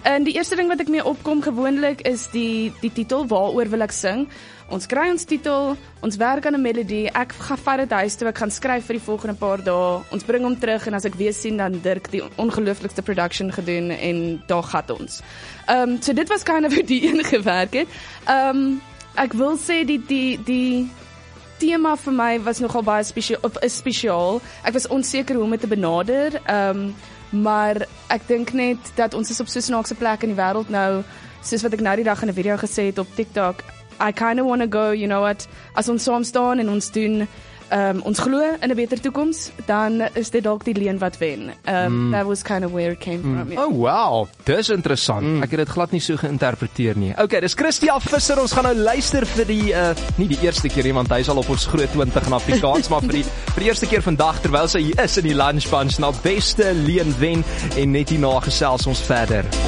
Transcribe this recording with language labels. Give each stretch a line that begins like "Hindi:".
Afrikaans: En die eerste ding wat ek mee opkom gewoonlik is die titel, waaroor wil ek sing. Ons kry ons titel, ons werk aan 'n melodie, ek gaan vat dit huis toe, ek gaan skryf vir die volgende paar dae, ons bring hom terug en as ek weer sien, dan Dirk die ongelooflikste production gedoen en daar gat ons. So dit was kind of hoe die een gewerk het. Ek wil sê die tema vir my was nogal baie spesiaal. Ek was onseker hoe om dit te benader. Maar ek dink net dat ons is op so 'n snaakse plek in die wêreld nou, soos wat ek nou die dag in 'n video gesê het op TikTok.
English: I kind of want to go, you know what?
Afrikaans: As ons saam staan en ons doen, ons glo in 'n beter toekoms, dan is dit dalk die leen wat wen.
English: That was kind of where it came from.
Afrikaans: Yeah. Oh wow, dis interessant. Mm. Ek het dit glad nie so geïnterpreteer nie. Okay, dis Christia Visser. Ons gaan nou luister vir die nie die eerste keer nie, want hy is al op ons groot 20 in Afrikaans, maar vir die eerste keer vandag terwyl sy hier is in die Lunch Bunch na Beste Leen Wen en net hierna gesels ons verder.